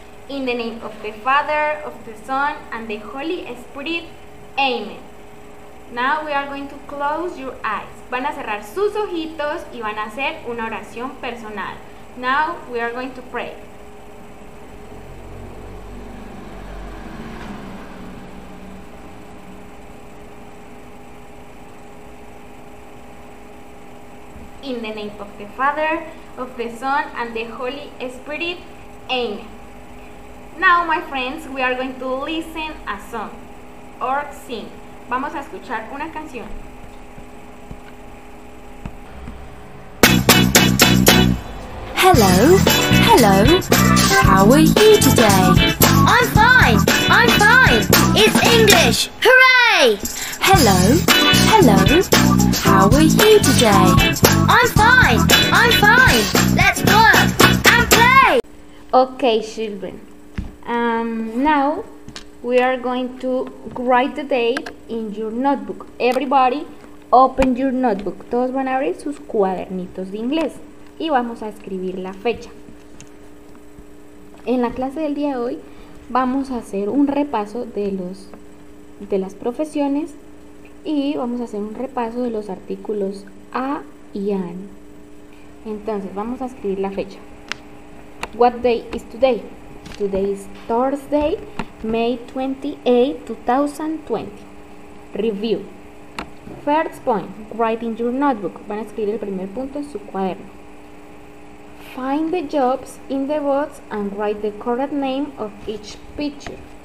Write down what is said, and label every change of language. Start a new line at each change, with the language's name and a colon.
English: In the name of the Father, of the Son, and the Holy Spirit. Amen. Now we are going to close your eyes.
Spanish: Van a cerrar sus ojitos y van a hacer una oración personal.
English: Now we are going to pray. In the name of the Father, of the Son, and the Holy Spirit. Amen. Now, my friends, we are going to listen a song or sing.
Spanish: Vamos a escuchar una canción.
English: Hello, hello. How are you today? I'm fine. It's English. Hooray! Hello, hello. How are you today? I'm fine, let's work and play! Okay, children, now we are going to write the date in your notebook. Everybody, open your notebook.
Spanish: Todos van a abrir sus cuadernitos de inglés y vamos a escribir la fecha. En la clase del día de hoy vamos a hacer un repaso de las profesiones y vamos a hacer un repaso de los artículos A y AN. Entonces, vamos a escribir la fecha.
English: What day is today? Today is Thursday, May 28, 2020. Review. First point, write in your notebook.
Spanish: Van a escribir el primer punto en su cuaderno.
English: Find the jobs in the box and write the correct name of each picture.